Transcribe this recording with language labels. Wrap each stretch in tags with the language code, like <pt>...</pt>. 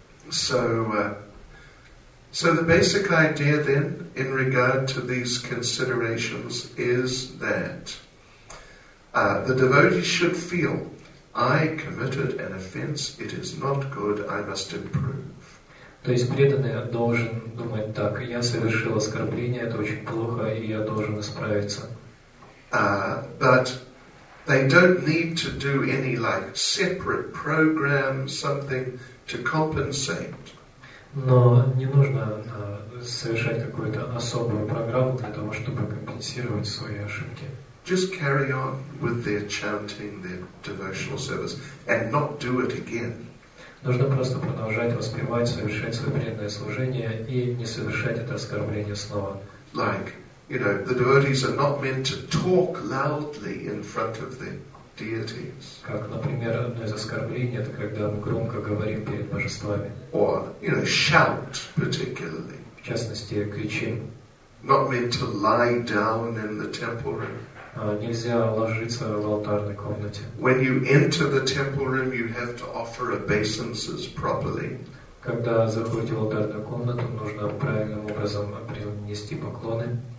<en>So the basic idea then, in regard to these considerations, is that the devotee should feel, I committed an offense. It is not good. I must improve.</en> <ru>То есть преданный должен думать так: я совершил оскорбление, это очень плохо, и я должен исправиться.</ru> <en>But they don't need to do any like separate program, something to compensate.</en> <ru>Но не нужно совершать какую-то особую программу для того, чтобы компенсировать свои ошибки.</ru> <en>Just carry on with their chanting, their devotional service, and not do it again.</en> <ru>Нужно просто продолжать воспевать, совершать свое преданное служение и не совершать это оскорбление снова.</ru> <en>Like, you know, the devotees are not meant to talk loudly in front of the deities.</en> <ru>Как, например, одно из оскорблений — это когда мы громко говорим перед божествами.</ru> <en>Or, you know, shout particularly.</en> <ru>В частности, кричим.</ru> <en>Not meant to lie down in the temple room.</en> <ru>Нельзя ложиться в алтарной комнате.</ru> <en>When you enter the temple room, you have to offer obeisances properly.</en> <ru>Когда заходите в алтарную комнату, нужно правильным образом принести поклоны.</ru>